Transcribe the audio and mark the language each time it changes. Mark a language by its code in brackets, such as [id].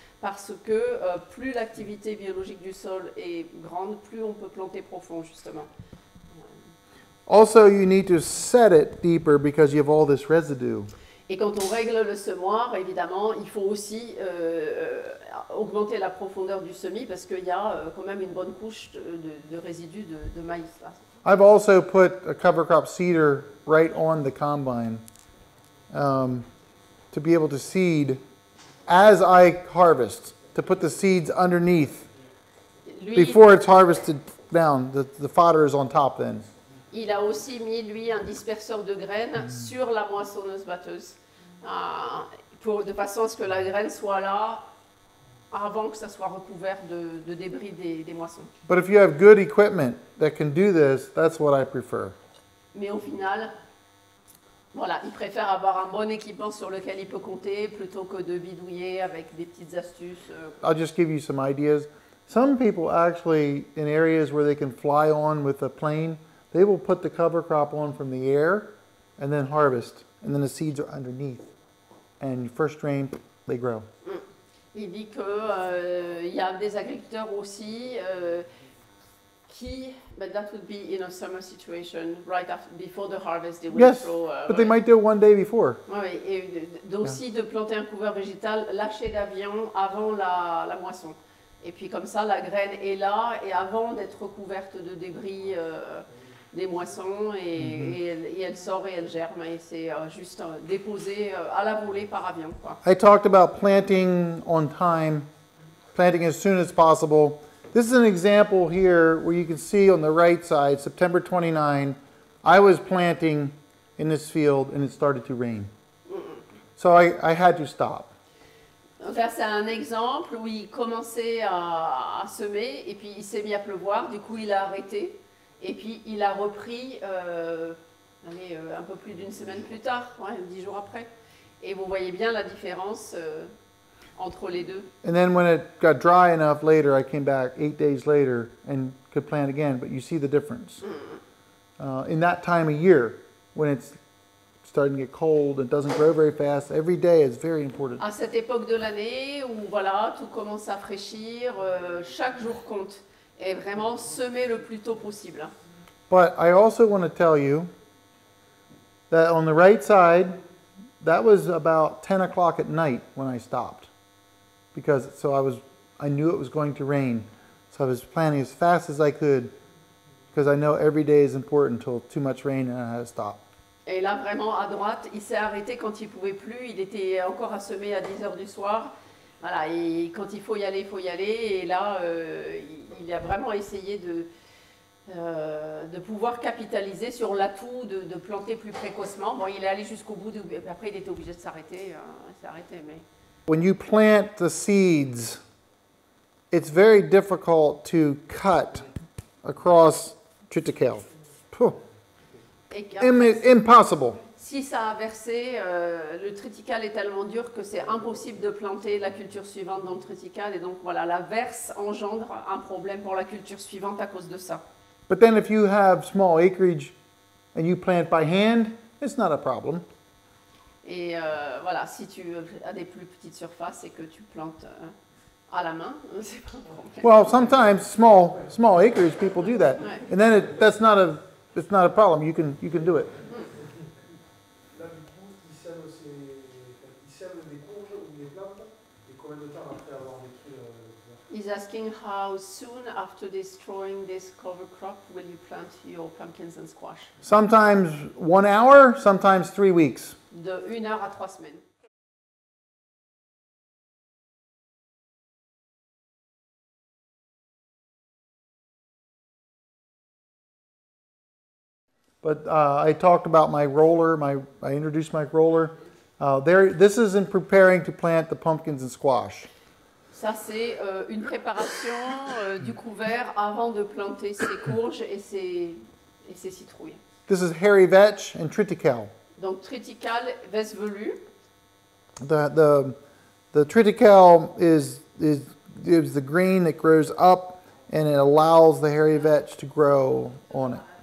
[fr] Parce que plus l'activité biologique du sol est grande, plus on peut planter profond, justement. [en] Also, you need to set it deeper because you have all this residue. [fr] Et quand on règle le semoir, évidemment, il faut aussi augmenter la profondeur du semis parce qu'il y a quand même une bonne couche de résidus de maïs là. [en] I've also put a cover crop seeder right on the combine to be able to seed as I harvest, to put the seeds underneath before it's harvested down. The fodder is on top then. [fr] Il a aussi mis, lui, un disperseur de graines sur la moissonneuse-batteuse de façon à ce que la graine soit là avant que ça soit recouvert de débris des moissons. [en] But if you have good equipment that can do this, that's what I prefer. [fr] Mais au final, voilà, il préfère avoir un bon équipement sur lequel il peut compter plutôt que de bidouiller avec des petites astuces. [en] I'll just give you some ideas. Some people actually, in areas where they can fly on with a plane, they will put the cover crop on from the air and then harvest. And then the seeds are underneath. And first rain, they grow. [fr] Il dit que il y a des agriculteurs aussi qui, [en] but that would be in a summer situation, right after, before the harvest, they will throw. But they might do it one day before. [fr] Oui, et d'aussi de planter un couvert végétal, lâcher d'avion avant la moisson. Et puis comme ça, la graine est là et avant d'être recouverte de débris... des moissons et, et elle sort et elle germe et c'est juste déposé à la volée par avion. [en] I talked about planting on time, planting as soon as possible. This is an example here where you can see on the right side, September 29, I was planting in this field and it started to rain. So I had to stop. [fr] Donc là, c'est un exemple où il commençait à semer et puis il s'est mis à pleuvoir. Du coup, il a arrêté et puis il a repris un peu plus d'une semaine plus tard, 10 jours après. Et vous voyez bien la différence entre les deux. [en] And then when it got dry enough later, I came back 8 days later and could plant again. But you see the difference. In that time of year, when it's starting to get cold, it doesn't grow very fast. Every day is very important. [fr] À cette époque de l'année où voilà tout commence à fraîchir, chaque jour compte. Et vraiment semer le plus tôt possible. [en] But I also want to tell you that on the right side, that was about 10 o'clock at night when I stopped, because so I knew it was going to rain, so I was planting as fast as I could, because I know every day is important until too much rain and I had to stop. [fr] Et là, vraiment, à droite, il s'est arrêté quand il ne pouvait plus. Il était encore à semer à 10 heures du soir. Voilà, et quand il faut y aller, il faut y aller. Et là, il a vraiment essayé de pouvoir capitaliser sur l'atout de planter plus précocement. Bon, il est allé jusqu'au bout, après il était obligé de s'arrêter. Il s'est arrêté, mais... [en] When you plant the seeds, it's very difficult to cut across triticale. Impossible. [fr] Si ça a versé, le triticale est tellement dur que c'est impossible de planter la culture suivante dans le triticale. Et donc voilà, la verse engendre un problème pour la culture suivante à cause de ça. [en] But then if you have small acreage and you plant by hand, it's not a problem. [fr] Et voilà, si tu as des plus petites surfaces et que tu plantes à la main, c'est pas un problème. [en] Well, sometimes small acreage, people do that. Ouais. And then it's not a problem. You can do it. [fr] Là, du coup, il sème des courges ou des plantes. Et combien de temps après avoir détruit? [en] He's asking how soon after destroying this cover crop will you plant your pumpkins and squash? Sometimes 1 hour, sometimes 3 weeks. [fr] De 1 heure à 3 semaines. [en] But I talked about my roller, I introduced my roller. This is in preparing to plant the pumpkins and squash. [fr] Ça, c'est une préparation du couvert avant de planter ses courges et ses citrouilles. [en] This is hairy vetch and triticale. [fr] Donc, triticale, vetch velue. [en] The triticale is the grain that grows up and it allows the hairy vetch to grow on it.